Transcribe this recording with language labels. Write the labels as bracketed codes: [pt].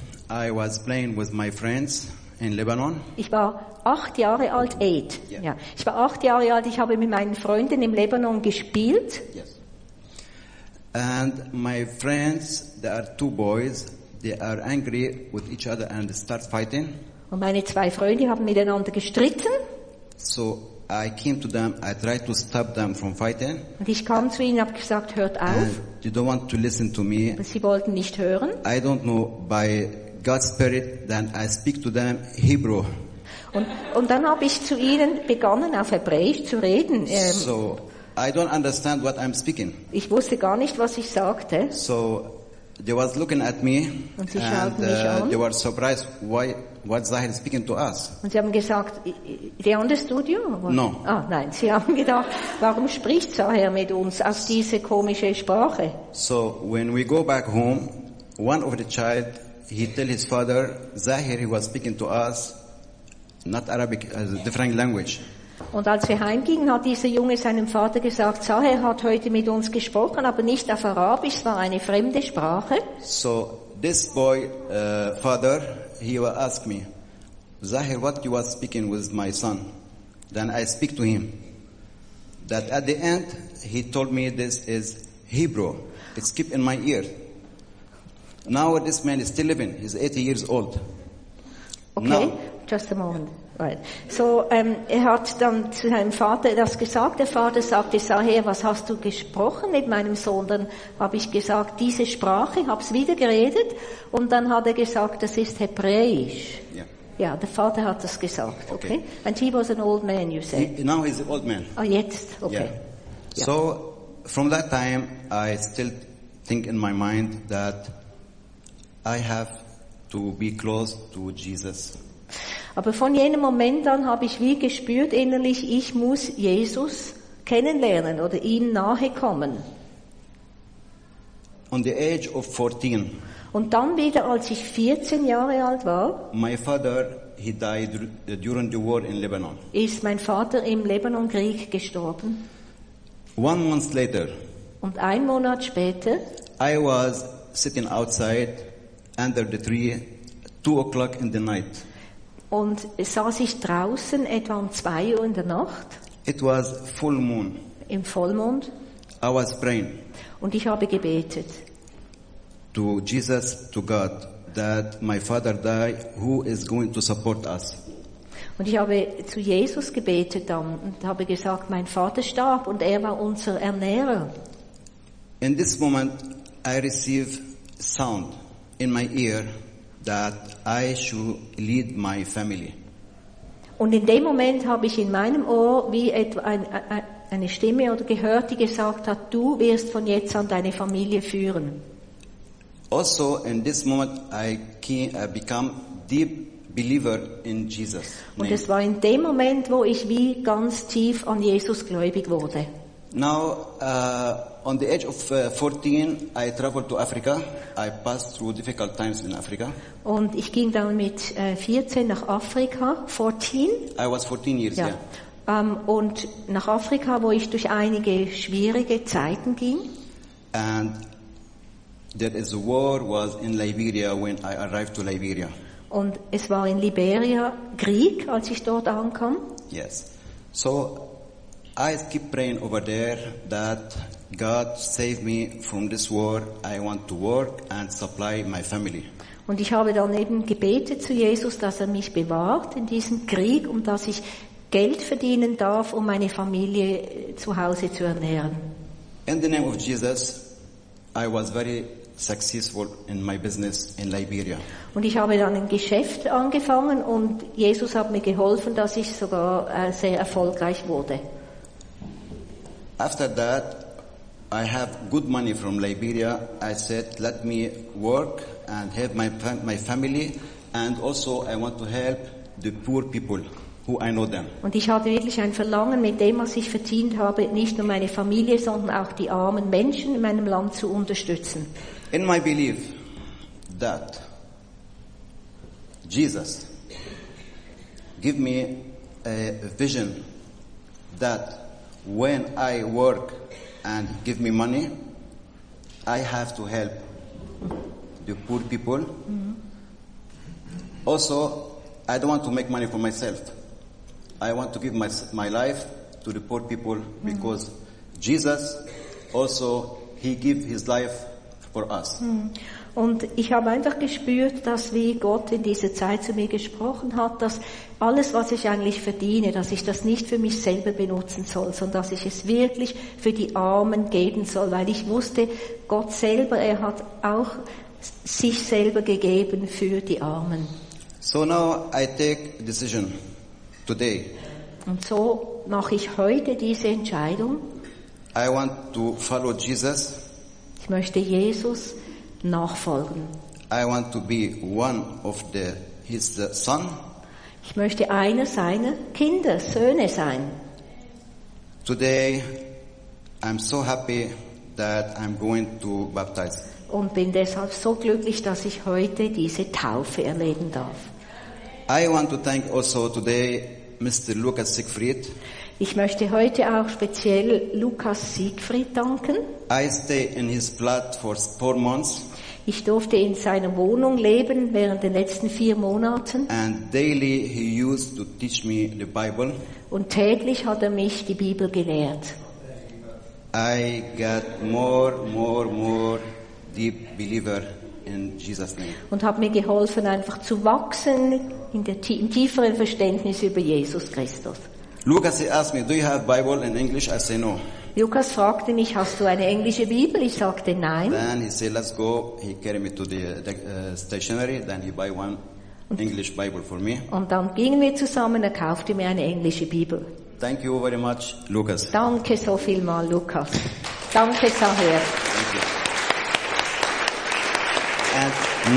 [en] I was playing with my friends in Lebanon. [de] Ich war 8 Jahre alt. [en] Eight. Yeah. [de] Ja. Ich war 8 Jahre alt. Ich habe mit meinen Freunden im Lebanon gespielt. [en] Yes. And my friends, there are two boys. They are angry with each other and start fighting. [de] Und meine zwei Freunde haben miteinander gestritten. [en] So I came to them, I tried to stop them from fighting. [de] Und ich kam zu ihnen, habe gesagt, hört auf. [en] And they don't want to listen to me. [de] Aber sie wollten nicht hören. [en] I don't know, by God's spirit, then I speak to them Hebrew. [de] Und dann habe ich zu ihnen begonnen, auf Hebräisch zu reden. [en] So I don't understand what I'm speaking. [de] Ich wusste gar nicht, was ich sagte. [en] So they was looking at me, and they were surprised why what Zahir is speaking to us. [de] Und sie haben gesagt, [en] they understood you? No. [de] Ah, nein. Sie haben gedacht, warum spricht Zahir mit uns auf diese komische Sprache? [en] So when we go back home, one of the child, he tell his father, Zahir, he was speaking to us, not Arabic, different language. [de] Und als wir heimgingen, hat dieser Junge seinem Vater gesagt, Zahir hat heute mit uns gesprochen, aber nicht auf Arabisch, es war eine fremde Sprache. [en] So, this boy, father, he will ask me, Zahir, what you are speaking with my son? Then I speak to him. That at the end, he told me this is Hebrew. It's kept in my ear. Now this man is still living, he's 80 years old. Okay. Now, Just a moment. Right. [de] So er hat dann zu seinem Vater das gesagt. Der Vater sagt, ich sah her, was hast du gesprochen mit meinem Sohn? Dann habe ich gesagt, diese Sprache, habe es wieder geredet. Und dann hat er gesagt, das ist Hebräisch. [en] Yeah. [de] Ja, der Vater hat das gesagt. Okay. Okay. [en] And he was an old man, you say. Now he's an old man. [de] Oh, jetzt. Okay. [en] Yeah. So from that time, I still think in my mind that I have to be close to Jesus. [de] Aber von jenem Moment an habe ich wie gespürt innerlich, ich muss Jesus kennenlernen oder ihm nahe kommen. [en] On the age of 14. [de] Und dann wieder, als ich 14 Jahre alt war. [en] My father, he died during the war in Lebanon. [de] Ist mein Vater im Lebanon-Krieg gestorben. [en] One month later. [de] Und ein Monat später. [en] I was sitting outside under the tree, 2 o'clock in the night. [de] Und saß ich draußen etwa um 2 Uhr in der Nacht. [en] It was full moon. [de] Im Vollmond. [en] I was praying. [de] Und ich habe gebetet. [en] To Jesus, to God, that my father die, who is going to support us? [de] Und ich habe zu Jesus gebetet dann und habe gesagt, mein Vater starb und er war unser Ernährer. [en] In this moment, I receive sound in my ear that I should lead my family. [de] Und in dem Moment habe ich in meinem Ohr wie etwa eine Stimme oder gehört, die gesagt hat, du wirst von jetzt an deine Familie führen. [en] Also in this moment I became deep believer in Jesus. [de] Und es war in dem Moment, wo ich wie ganz tief an Jesus gläubig wurde. [en] Now on the age of 14, I traveled to Africa. I passed through difficult times in Africa. [de] Und ich ging dann mit 14 nach Afrika. 14? [en] I was 14 years old. Yeah. [de] Und nach Afrika, wo ich durch einige schwierige Zeiten ging. [en] And there is a war was in Liberia when I arrived to Liberia. [de] Und es war in Liberia Krieg, als ich dort ankam. [en] Yes. So I keep praying over there that God save me from this war. I want to work and supply my family. [de] Und ich habe dann eben gebetet zu Jesus, dass er mich bewahrt in diesem Krieg und dass ich Geld verdienen darf, um meine Familie zu Hause zu ernähren. [en] In the name of Jesus, I was very successful in my business in Liberia. [de] Und ich habe dann ein Geschäft angefangen und Jesus hat mir geholfen, dass ich sogar sehr erfolgreich wurde. [en] After that, I have good money from Liberia. I said, let me work and have my family, and also I want to help the poor people who I know them. [de] Und ich hatte wirklich ein Verlangen, mit dem, was ich verdient habe, nicht nur meine Familie, sondern auch die armen Menschen in meinem Land zu unterstützen. [en] In my belief that Jesus gave me a vision that when I work and give me money, I have to help the poor people. Mm-hmm. Also, I don't want to make money for myself. I want to give my life to the poor people, mm-hmm. because Jesus also, he gave his life for us. Mm-hmm. [de] Und ich habe einfach gespürt, dass wie Gott in dieser Zeit zu mir gesprochen hat, dass alles, was ich eigentlich verdiene, dass ich das nicht für mich selber benutzen soll, sondern dass ich es wirklich für die Armen geben soll, weil ich wusste, Gott selber, er hat auch sich selber gegeben für die Armen. [en] So now I take decision today. [de] Und so mache ich heute diese Entscheidung. [en] I want to follow Jesus. [de] Ich möchte Jesus nachfolgen. [en] I want to be one of his son. [de] Ich möchte einer seiner Kinder, Söhne sein. [en] Today I'm so happy that I'm going to baptize. [de] Und bin deshalb so glücklich, dass ich heute diese Taufe erleben darf. [en] I want to thank also today Mr. Lukas Siegfried. [de] Ich möchte heute auch speziell Lukas Siegfried danken. [en] I stay in his flat for 4 months. [de] Ich durfte in seiner Wohnung leben während den letzten 4 Monaten. [en] And daily he used to teach me the Bible. [de] Und täglich hat er mich die Bibel gelehrt. [en] I got more deep believer in Jesus' name. [de] Und hat mir geholfen, einfach zu wachsen in der tieferen Verständnis über Jesus Christus. [en] Lucas, he asked me, do you have Bible in English? I say no. [de] Lucas fragte mich, hast du eine englische Bibel? Ich sagte nein. [en] Then he said, let's go. He carried me to the stationery. Then he buy one English Bible for me. [de] Und dann gingen wir zusammen. Er kaufte mir eine englische Bibel. [en] Thank you very much, Lucas. [de] Danke so viel mal, Lucas. Danke sehr. [en] Thank you.